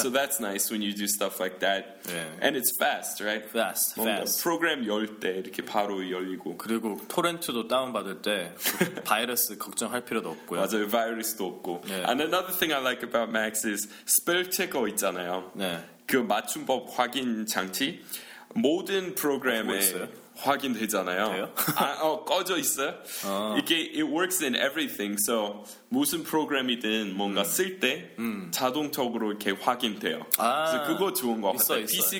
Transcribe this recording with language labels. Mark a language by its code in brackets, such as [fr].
[en] So that's nice when you do stuff like that. Yeah. And it's fast, right? Fast. [ko] 프로그램 열 때 이렇게 바로 열리고. 그리고 토렌트도 다운받을 때 바이러스 걱정할 필요도 없고요. 맞아요, 바이러스도 없고. [en] Yeah. And another thing I like about Macs is spell checker [ko] 있잖아요. [en] Yeah. [ko] 그 맞춤법 확인 장치. 모든 프로그램에 확인되잖아요. 돼요? 꺼져 있어요. 이게 [en] it works in everything. [ko] So 무슨 프로그램이든 뭔가 쓸 때 자동적으로 이렇게 확인돼요. 아, 그래서 그거 좋은 거 같아요. PC